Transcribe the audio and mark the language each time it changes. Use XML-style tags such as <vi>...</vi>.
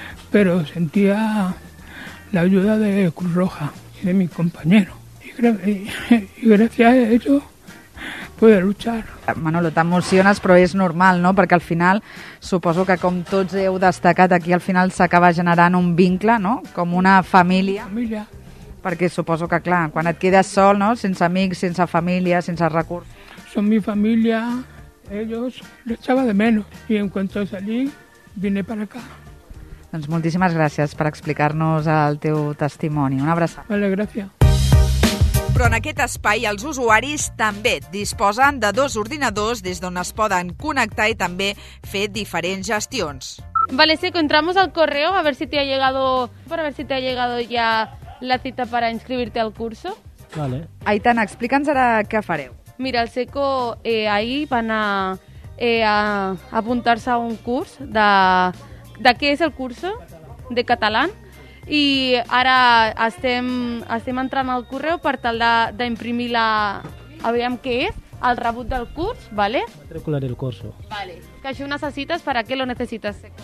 <es>Pero sentía la ayuda de Cruz Roja y de mis compañeros. Y gracias a ellos pude luchar.</es> <ca>Manolo, t'emociones, però és normal, no? Perquè al final, suposo que com tots heu destacat, aquí al final s'acaba generant un vincle, no? Com una família. Família. Perquè suposo que, clar, quan et quedes sol, no? Sense amics, sense família, sense recursos.</ca> <es>Son mi familia, ellos, lo echaba de menos. Y en cuanto salí, vine para acá.</es> <ca>Doncs moltíssimes gràcies per explicar-nos el teu testimoni. Una abraçada. Vale, gràcies. Però en aquest espai els usuaris també disposen de 2 ordinadors des d'on es poden connectar i també fer diferents gestions.</ca> <es>Vale, sí, entramos al correo a ver si te ha llegado, para ver si te ha llegado ya la cita para inscribirte al curso. Vale.</es> <ca>Aitana, explica'ns ara què fareu. Mira, el SECO ahir van a apuntar-se a un curs de què és el curso de català. I ara estem entrant al correu per tal d'imprimir la... Aviam què és, el rebut del curs, ¿vale?</ca> <es>Matricular el curso. Vale.</es> <ca>Que això necessites,</ca> <es>¿para qué lo necesitas?</es>